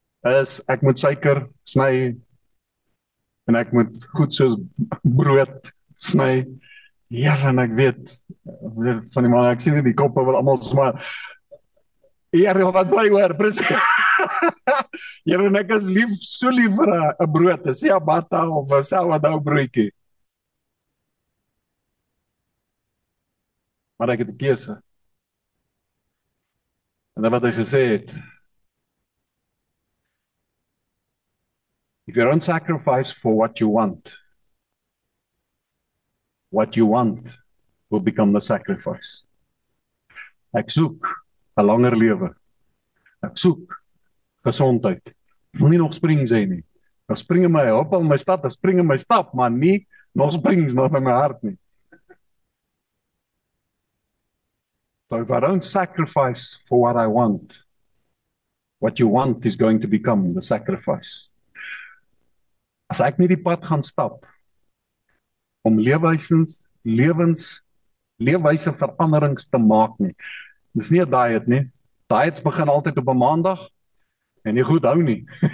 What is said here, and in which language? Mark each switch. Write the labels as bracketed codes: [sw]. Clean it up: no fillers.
[af] is ek moet suiker sny en ek moet goed soos brood sny. Ja, en ek weet van die man, ek sien die koppe wil almal smaak. Here, wat bly oor? Presies. Here, ek is lief, so lief vir 'n brood, 'n ciabatta of 'n sourdough broodjie. Maar ek het die keuse. En dan wat hy gesê het. [en] If you don't sacrifice for what you want, what you want will become the sacrifice. [af] Ek soek 'n langer lewe. Ek soek gesondheid. Moenie nog springs hê nie. Daar spring in my hop al my stad, daar spring in my stap, maar nie nog springs nog in my hart nie. [en] So if I don't sacrifice for what I want, what you want is going to become the sacrifice. [af] As ek nie die pad gaan stap om leefwyse veranderings te maak nie. Dis nie 'n diet nie. Diets begin altyd op 'n maandag en jy goed hou nie.